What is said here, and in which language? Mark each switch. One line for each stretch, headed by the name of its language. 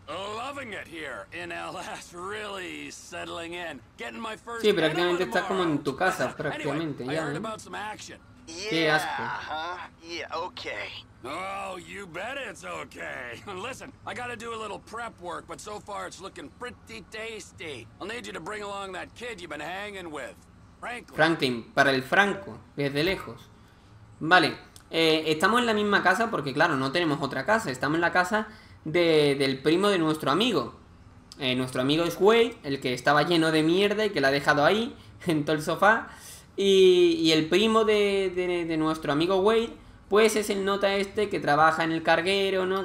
English: Loving it here in LS, really settling in. Getting my first.
Spanish: Sí, prácticamente está como en tu casa, prácticamente.
English: Anyway,
Spanish: ya,
English: I heard about some action.
Spanish: Qué asco.
English: Yeah, okay. Oh, you bet it's okay. Listen, I gotta do a little prep work, but so far it's looking pretty tasty. I'll need you to bring along that kid you've been hanging with.
Spanish: Franklin, para el Franco, desde lejos. Vale. Estamos en la misma casa porque, claro, no tenemos otra casa. Estamos en la casa del primo de nuestro amigo. Nuestro amigo es Wade, el que estaba lleno de mierda y que la ha dejado ahí, en todo el sofá. Y el primo de nuestro amigo Wade, pues es el nota este que trabaja en el carguero, ¿no?